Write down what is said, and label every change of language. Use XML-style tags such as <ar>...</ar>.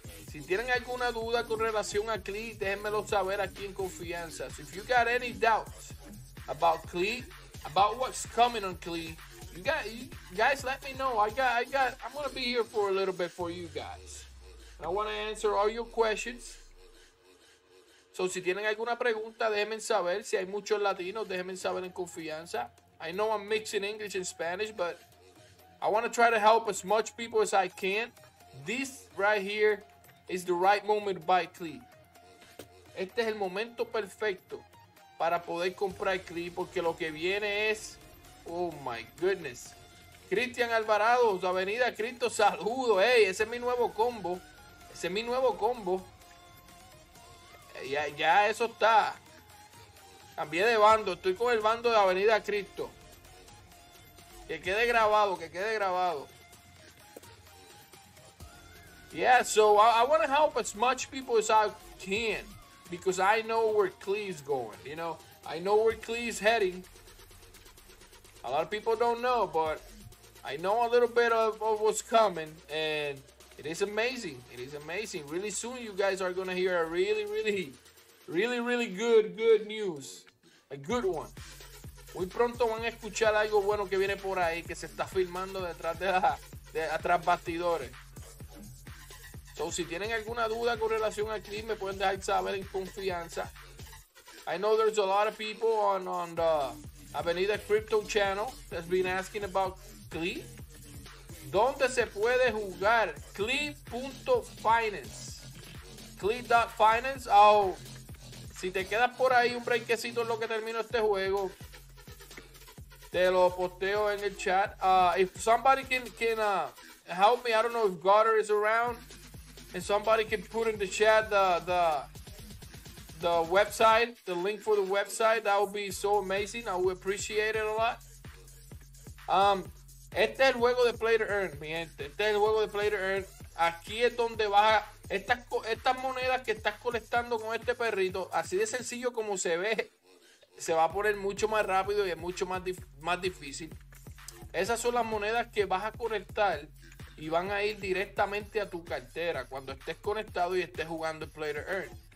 <es>Si tienen alguna duda con relación a Klee, déjenmelo saber aquí en confianza.</es> <en>So if you got any doubts about Klee, about what's coming on Klee, you guys let me know. I'm gonna be here for a little bit for you guys. And I wanna answer all your questions. So</en> <es>si tienen alguna pregunta, déjenme saber. Si hay muchos latinos, déjenme saber en confianza.</es> <en>I know I'm mixing English and Spanish, but I want to try to help as much people as I can. This right here is the right moment to buy Klee.</en> <es>Este es el momento perfecto para poder comprar Klee porque lo que viene es...</es> <en>Oh, my goodness. Cristian Alvarado, Avenida Cristo, saludo.</en> <es>Hey, ese es mi nuevo combo. Ese es mi nuevo combo. Ya eso está. Cambié de bando. Estoy con el bando de Avenida Cristo. Que quede grabado.</es> <en>Yeah, so I want to help as much people as I can because I know where Klee's going, you know? I know where Klee's heading. A lot of people don't know, but I know a little bit of what's coming, and it is amazing. It is amazing. Really soon, you guys are going to hear a really, really, really, really good news. A good one.</en> <es>Muy pronto van a escuchar algo bueno que viene por ahí, que se está filmando detrás de la, de atrás bastidores. So, si tienen alguna duda con relación al clip, me pueden dejar saber en confianza.</es> <en>I know there's a lot of people on the Avenida Crypto channel that's been asking about Klee.</en> <es>¿Dónde se puede jugar? Klee.finance. Klee.finance. Oh, si te quedas por ahí un breakcito en lo que termino este juego, te lo posteo en el chat.</es> <en>If somebody can help me, I don't know if Goddard is around, and somebody can put in the chat the website, the link for the website, that would be so amazing. I would appreciate it a lot.</en> <es>Este es el juego de Play to Earn, mi gente. Este es el juego de Play to Earn. Aquí es donde vas a... Estas monedas que estás colectando con este perrito, así de sencillo como se ve, se va a poner mucho más rápido y es mucho más, más difícil. Esas son las monedas que vas a conectar y van a ir directamente a tu cartera cuando estés conectado y estés jugando Play to Earn.</es>